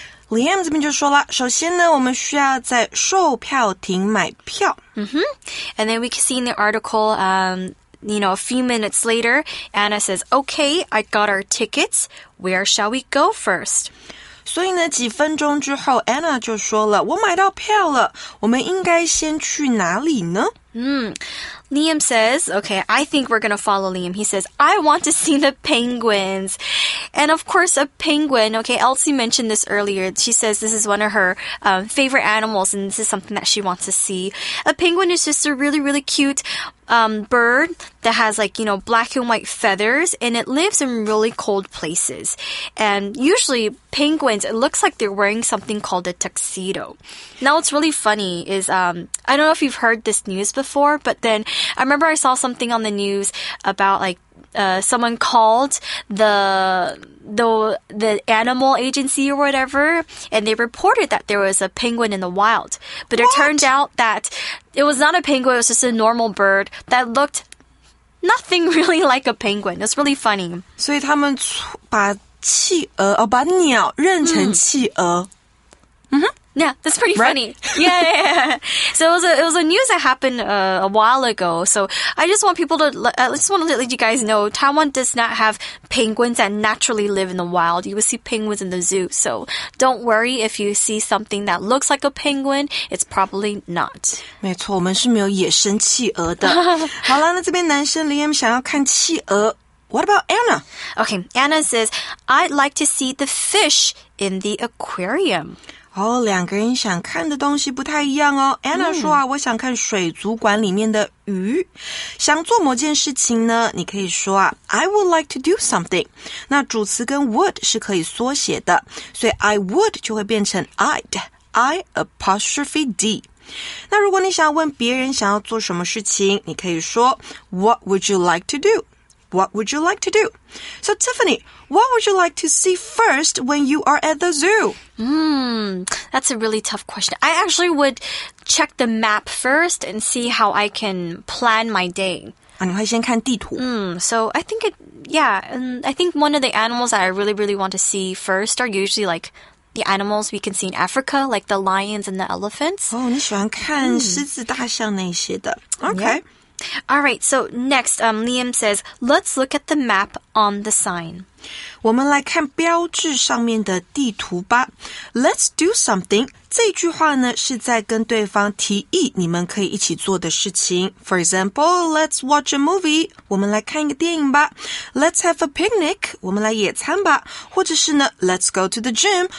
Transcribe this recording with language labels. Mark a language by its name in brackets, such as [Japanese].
[Chinese] Liam 这边就说了，首先呢，我们需要在售票亭买票。 Mm-hmm. [English] And then we can see in the article, you know, a few minutes later, Anna says, okay, I got our tickets. Where shall we go first? [Chinese] 所以呢，几分钟之后 ，Anna 就说了：“我买到票了，我们应该先去哪里呢？” [English] Liam says, okay, I think we're going to follow Liam. He says, I want to see the penguins. And of course, a penguin, okay, Elsie mentioned this earlier. She says this is one of her favorite animals, and this is something that she wants to see. A penguin is just a really, really cute bird that has, like, you know, black and white feathers, and it lives in really cold places. And usually, penguins, it looks like they're wearing something called a tuxedo. Now, what's really funny is, I don't know if you've heard this news before, but then I remember I saw something on the news about, like, someone called the animal agency or whatever, and they reported that there was a penguin in the wild. But what? It turned out that it was not a penguin, it was just a normal bird that looked nothing really like a penguin. It's really funny. [Chinese] 所以他们把企鹅，哦，把鸟认成企鹅。 [English] Yeah, that's pretty funny. Right? Yeah. So it was a news that happened a while ago. So I just want people to, I just want to let you guys know, Taiwan does not have penguins that naturally live in the wild. You will see penguins in the zoo. So don't worry if you see something that looks like a penguin. It's probably not. [Chinese] 没错，我们是没有野生企鹅的。好了，那这边男生 Liam 想要看企鹅。 [English] What about Anna? Okay, Anna says, I'd like to see the fish in the aquarium. [Chinese] 哦，两个人想看的东西不太一样哦。 Anna 说啊，我想看水族馆里面的鱼。想做某件事情呢，你可以说啊 ， [English] I would like to do something。 [Chinese] 那主词跟 would 是可以缩写的，所以 I would 就会变成 I'd，I apostrophe D。那如果你想要问别人想要做什么事情，你可以说 [English] What would you like to do？ What would you like to do? So, Tiffany, what would you like to see first when you are at the zoo? That's a really tough question. I actually would check the map first and see how I can plan my day. [Chinese] 你会先看地图。 [English] So, I think one of the animals that I really, really want to see first are usually, like, the animals we can see in Africa, like the lions and the elephants. [Chinese] Oh, 你喜欢看狮子大象那些的。Okay. [English] Yeah. All right, so next, Liam says, let's look at the map on the sign. [Chinese] 我们来看标志上面的地图吧。 [English] Let's do something. [Chinese] 这句话呢是在跟对方提议你们可以一起做的事情。 [English] For example, let's watch a movie. [Chinese] 我们来看一个电影吧。 [English] Let's have a picnic. [Chinese] 我们来野餐吧。或者是呢 [English] let's go to the gym.